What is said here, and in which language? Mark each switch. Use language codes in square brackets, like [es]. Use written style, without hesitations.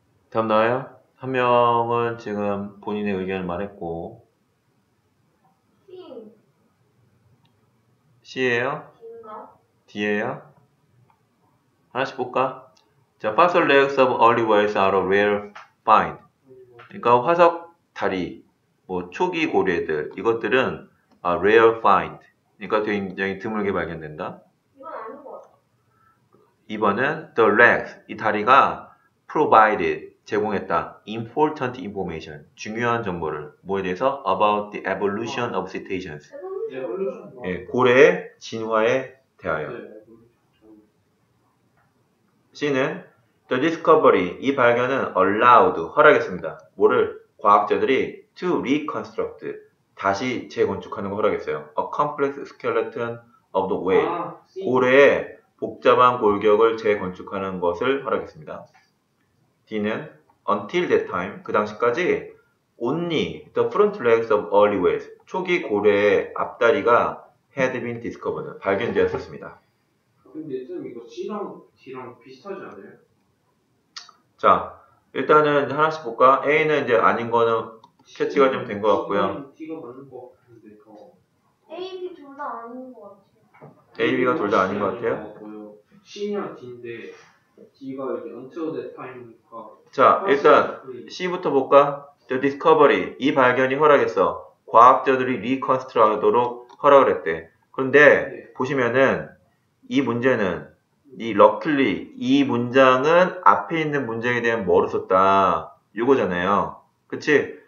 [ko] 답 나와요? 한 명은 지금 본인의 의견을 말했고 C예요? D예요? 하나씩 볼까? [en] 자, fossil legs of early whales are a rare find. [ko] 그러니까 화석 다리, 뭐 초기 고래들 이것들은 [en] a rare find. [ko] 그러니까 굉장히 드물게 발견된다. 2번은 the legs, 이 다리가 provided, 제공했다. [en] Important information, [ko] 중요한 정보를. 뭐에 대해서? [en] About the evolution of cetaceans. [ko] 예, 고래의 진화에 대하여. C는 the discovery, 이 발견은 allowed, 허락했습니다. 뭐를? 과학자들이 to reconstruct, 다시 재건축하는 걸 허락했어요. [en] A complex skeleton of the whale, [ko] 고래의 복잡한 골격을 재건축하는 것을 허락했습니다. [en] D는 until that time, [ko] 그 당시까지 [en] only the front legs of early whales, [ko] 초기 고래의 앞다리가 [en] had been discovered, [ko] 발견되었었습니다. 근데 좀 이거 C랑 D랑 비슷하지 않아요? 자, 일단은 하나씩 볼까? A는 이제 아닌 거는 캐치가 좀 된 것 같고요. D가 맞는 것 같은데 더. A, B 둘 다 아닌 것 같아요. A, B가 둘 다 아닌 것 같아요? C냐 D인데 D가 이렇게 until that time니까. 자, 일단 C부터 볼까? The discovery, 이 발견이 허락했어. 과학자들이 리컨스트럭트하도록 허락을 했대. 그런데 네. 보시면은 이 문제는 이 럭클리, 이 문장은 앞에 있는 문장에 대한 뭐로 썼다? 이거잖아요. 그치?